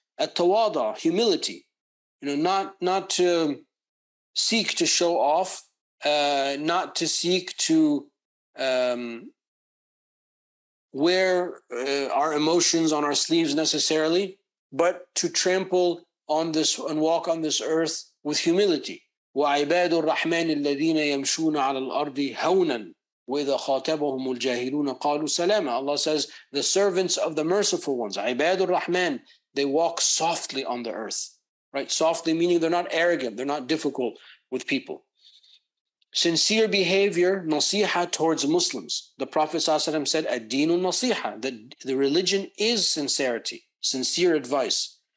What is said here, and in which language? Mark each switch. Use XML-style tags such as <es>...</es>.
<en>At-tawada, humility, you know, not to seek to show off, not to seek to wear our emotions on our sleeves necessarily, but to trample on this and walk on this earth with humility.</en> <ar>وعباد الرحمن الذين يمشون على الأرض هونا وإذا خاطبهم الجاهلون قالوا سلاما.</ar> <en>Allah says, the servants of the merciful ones, عباد الرحمن, they walk softly on the earth. Right? Softly meaning they're not arrogant, they're not difficult with people. Sincere behavior, nasiha, towards Muslims. The Prophet ﷺ said, "Ad-dinu nasiha," that the religion is sincerity, sincere advice.</en>